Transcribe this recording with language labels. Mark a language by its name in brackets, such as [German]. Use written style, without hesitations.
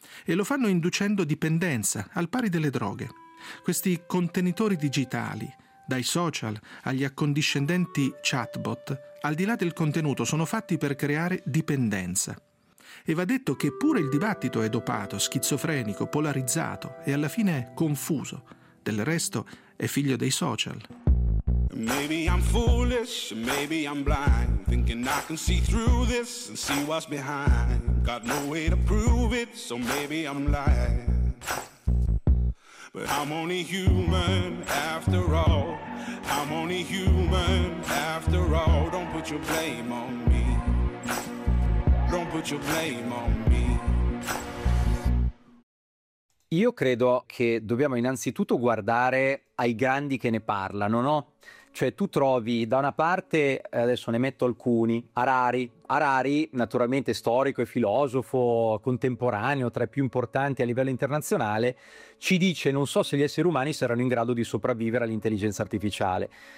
[Italian] E lo fanno inducendo dipendenza, al pari delle droghe. Questi contenitori digitali, dai social agli accondiscendenti chatbot, al di là del contenuto, sono fatti per creare dipendenza. E va detto che pure il dibattito è dopato, schizofrenico, polarizzato e alla fine confuso. Del resto è figlio dei social. [English] Maybe I'm foolish, maybe I'm blind, thinking I can see through this and see what's behind. Got no way to prove it, so maybe I'm lying. But I'm only human after all. I'm only human after all. Don't put your blame on me. Don't put your blame on me. [Italian] Io credo che dobbiamo innanzitutto guardare ai grandi che ne parlano, no? Cioè tu trovi da una parte, adesso ne metto alcuni, Harari, naturalmente storico e filosofo contemporaneo, tra i più importanti a livello internazionale, ci dice: non so se gli esseri umani saranno in grado di sopravvivere all'intelligenza artificiale.